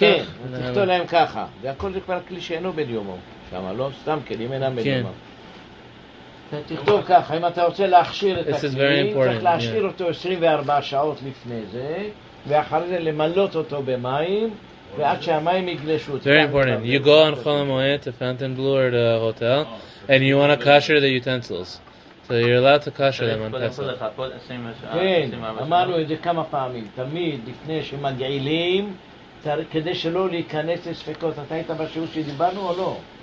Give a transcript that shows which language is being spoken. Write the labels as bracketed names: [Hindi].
[Hebrew] כן, תכתוב להם ככה. והכל זה כבר כלי שאינו בדיומו. שמה לא סתם כלים אינם בדיומו. תכתוב ככה, אם אתה רוצה להכשיר את הכלי, צריך להשאיר אותו 24 שעות לפני זה, ואחרי זה למלות אותו במים, ועד שהמים יגלשו. [English] Very important. You go on Chol HaMoed to Fontainebleau or the hotel, and you want to kosher the utensils. So you're allowed to kosher them on Pesach. [Hebrew] כן, אמרנו את זה כמה פעמים. תמיד, לפני שמגעילים, כדי שלא להיכנס לספקות. אתה היית בשיעור שדיברנו או לא?